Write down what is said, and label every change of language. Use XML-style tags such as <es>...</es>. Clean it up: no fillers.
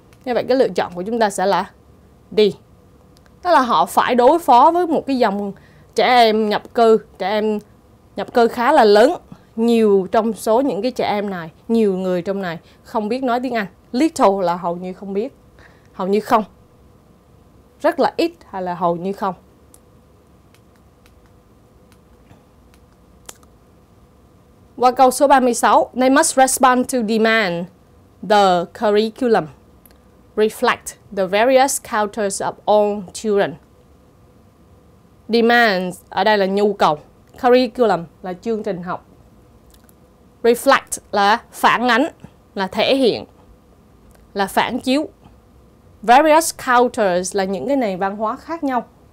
<vi>Như vậy cái lựa chọn của chúng ta sẽ là D. Tức là họ phải đối phó với một cái dòng trẻ em nhập cư khá là lớn. Nhiều trong số những cái trẻ em này, nhiều người trong này không biết nói tiếng Anh. Little là hầu như không biết, hầu như không. Rất là ít hay là hầu như không. Qua câu số 36,</vi> <en>they must respond to demand the curriculum reflect the various cultures of all children.</en> <vi>Demands ở đây là nhu cầu. Curriculum là chương trình học. Reflect là phản ánh, là thể hiện, là phản chiếu. Various cultures là những cái nền văn hóa khác nhau.</vi>